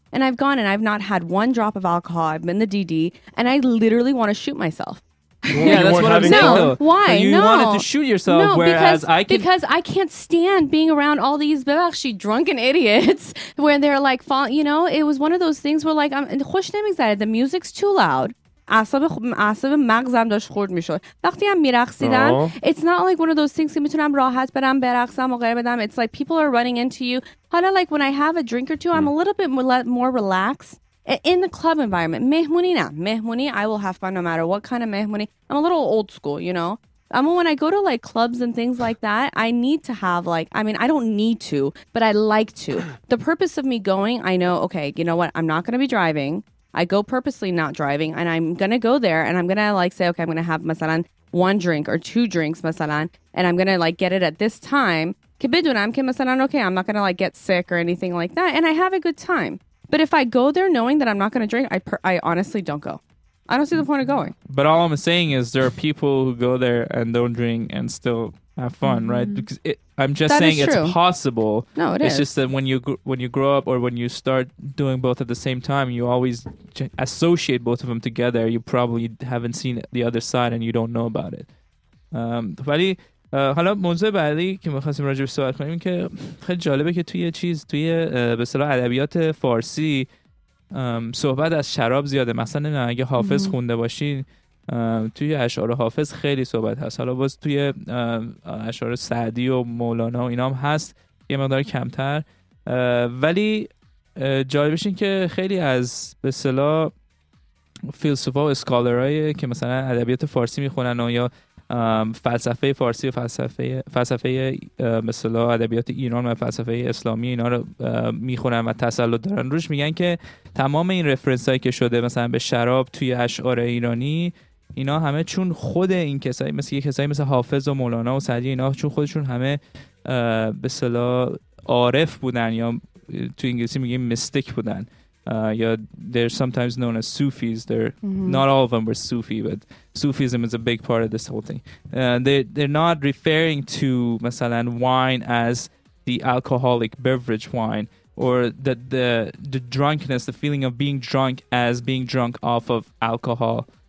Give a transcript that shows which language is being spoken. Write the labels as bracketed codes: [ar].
[en] And I've gone and I've not had one drop of alcohol. I've been the DD and I literally want to shoot myself. Well, yeah, that's what I'm saying. Why? But you wanted to shoot yourself. No, whereas because I can't stand being around all these actually drunken idiots where they're like, you know, it was one of those things where like, I'm excited. The music's too loud. [fa] اعصاب مغزم داشت خرد میشد وقتی هم میرقصیدم. It's not like one of those things که میتونم راحت برم برقصم و غیره بدم. [en] It's like people are running into you. حالا like when I have a drink or two, I'm a little bit more relaxed. In the club environment, mehmuni na. Mehmuni, I will have fun no matter what kind of mehmuni. I'm a little old school, you know? I mean, when I go to like clubs and things like that, I need to have like, I mean, I don't need to, but I like to. The purpose of me going, I know, okay, you know what? I'm not going to be driving. I go purposely not driving and I'm going to go there and I'm going to like say, okay, I'm going to have masalan one drink or two drinks masalan and I'm going to like get it at this time. Kibidunam ke masalan, okay, I'm not going to like get sick or anything like that and I have a good time. But if I go there knowing that I'm not going to drink, I honestly don't go. I don't see the point of going. But all I'm saying is there are people who go there and don't drink and still have fun, mm-hmm. right? Because I'm just saying it's possible. No, it is. It's just that when you grow up or when you start doing both at the same time, you always associate both of them together. You probably haven't seen the other side and you don't know about it. [fa] ولی حالا موضوع بعدی که می‌خواستیم راجع بهش صحبت کنیم که خیلی جالبه که توی چیز توی به اصطلاح ادبیات فارسی صحبت از شراب زیاده. مثلا اگه حافظ خونده باشین توی اشعار حافظ خیلی صحبت هست. حالا باز توی اشعار سعدی و مولانا و اینا هم هست یه مقدار کمتر، ولی جالبش این که خیلی از به اصطلاح فیلسوفا و اسکالرای که مثلا ادبیات فارسی میخونن و یا فلسفه فارسی و فلسفه به اصطلاح ادبیات ایران و فلسفه اسلامی اینا رو میخونن و تسلط دارن روش، میگن که تمام این رفرنس هایی که شده مثلا به شراب توی اشعار ایرانی اینا همه چون خود این کسایی مثل یه کسایی مثل حافظ و مولانا و سعدی اینا چون خودشون همه به اصطلاح عارف بودن یا تو انگلیسی میگیم میستیک بودن یا they're sometimes known as Sufis. [en] They're not all of them were Sufi, but Sufism is a big part of this whole thing. They're not referring to مثلا wine as the alcoholic beverage wine or the drunkenness, the feeling of being drunk as being drunk off of alcohol.